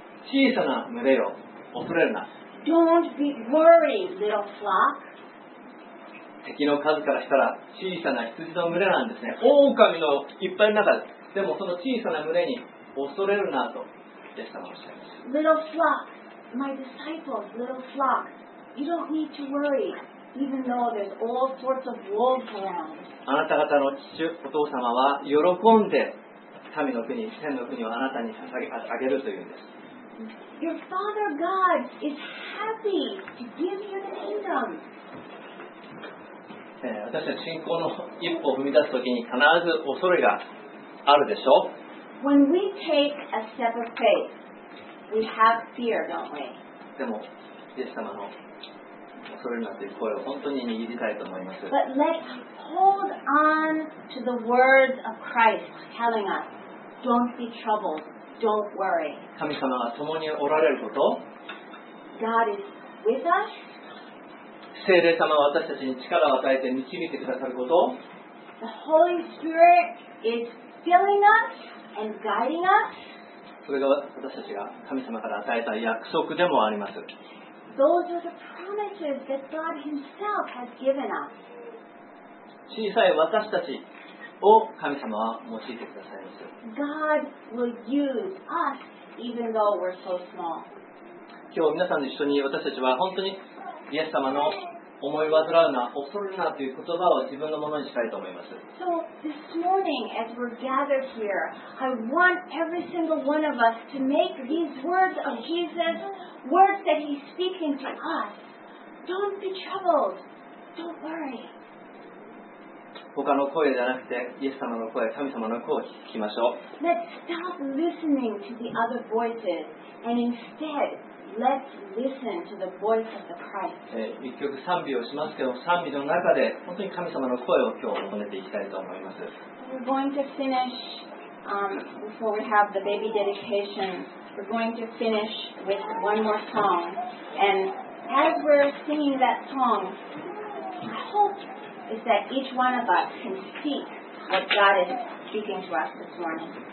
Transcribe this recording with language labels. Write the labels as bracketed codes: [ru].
[ja] 小さな群れよ、恐れるな。 [en] Don't be worried, little flock. [ja] 敵の数からしたら小さな羊の群れなんですね。オオカミのいっぱいの中で、でもその小さな群れに恐れるなと、イエス様おっしゃいます。 [en] Little flock, my disciples, little flock, you don't need to worry, even though there's all sorts of wolves around. [ja] あなた方の父、お父様は喜んで、神の国、天の国をあなたに捧げ、あげるというんです。 [en] Your Father God is happy to give you the kingdom. [ja] 私たち信仰の一歩を踏み出すときに必ず恐れがあるでしょう。 [en] When we take a step of faith, we have fear, don't we? [ja] でも、イエス様の恐れになっている声を本当に握りたいと思います。 [en] But let's hold on to the words of Christ telling us, don't be troubled. Don't worry. [ja] 神様が共におられること。 [en] God is with us. [ja] 聖霊様は私たちに力を与えて導いてくださること。 [en] The Holy Spirit is filling us and guiding us. [ja] それが私たちが神様から与えた約束でもあります。 [en] Those are the promises that God Himself has given us. [ja] 小さい私たちを神様は用いてくださいます。 [en] God will use us even though we're so small. [ja] 今日皆さんと一緒に私たちは本当にイエス様の思い煩うな、恐るなという言葉を自分のものにしたいと思います。 [en] So this morning as we're gathered here, I want every single one of us to make these words of Jesus, words that he's speaking to us. Don't be troubled. Don't worry. [ja] 他の声じゃなくてイエス様の声、神様の声を聞きましょう。 [en] Let's stop listening to the other voices and instead let's listen to the voice of the Christ. [ja] 一曲賛美をしますけど、賛美の中で本当に神様の声を今日求めていきたいと思います。 [en] We're going to finish, before we have the baby dedication, we're going to finish with one more song. And as we're singing that song, I hopeis that each one of us can speak what God is speaking to us this morning.